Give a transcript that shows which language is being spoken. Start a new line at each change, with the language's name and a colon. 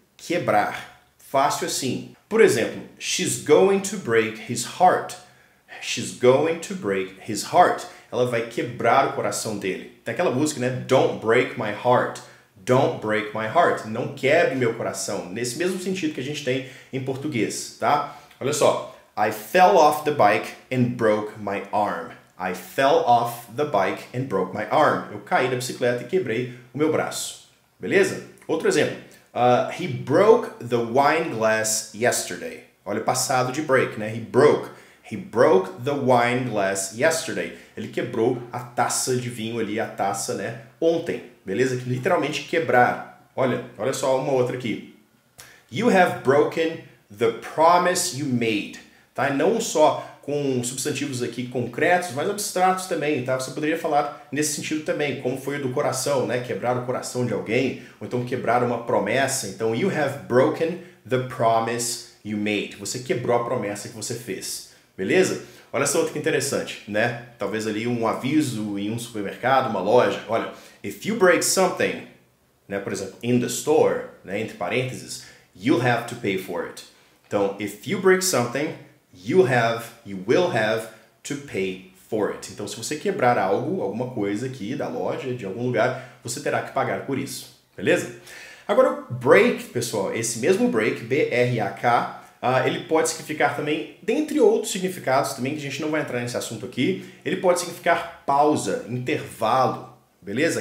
Portuguese: Quebrar. Fácil assim. Por exemplo,
English: she's going to break his heart. She's going to break his heart.
Portuguese: Ela vai quebrar o coração dele. Tem aquela música, né?
English: Don't break my heart. Don't break my heart.
Portuguese: Não quebre meu coração. Nesse mesmo sentido que a gente tem em português, tá? Olha só.
English: I fell off the bike and broke my arm. I fell off the bike and broke my arm.
Portuguese: Eu caí da bicicleta e quebrei o meu braço. Beleza? Outro exemplo.
English: He broke the wine glass yesterday.
Portuguese: Olha o passado de break, né?
English: He broke. He broke the wine glass yesterday.
Portuguese: Ele quebrou a taça de vinho ali, a taça, né, ontem. Beleza? Literalmente quebrar. Olha só uma outra aqui.
English: You have broken the promise you made. Tá?
Portuguese: Não só com substantivos aqui concretos, mas abstratos também, tá? Você poderia falar nesse sentido também, como foi o do coração, né? Quebrar o coração de alguém, ou então quebrar uma promessa.
English: Então, you have broken the promise you made.
Portuguese: Você quebrou a promessa que você fez. Beleza? Olha essa outra que interessante, né? Talvez ali um aviso em um supermercado, uma loja.
English: Olha, if you break something,
Portuguese: né? Por exemplo,
English: in the store, né?
Portuguese: Entre parênteses,
English: you'll have to pay for it. Então, if you break something, you will have to pay for it.
Portuguese: Então, se você quebrar algo, alguma coisa aqui da loja, de algum lugar, você terá que pagar por isso. Beleza? Agora, break, pessoal, esse mesmo break, B-R-A-K, ele pode significar também, dentre outros significados também, que a gente não vai entrar nesse assunto aqui, ele pode significar pausa, intervalo, beleza?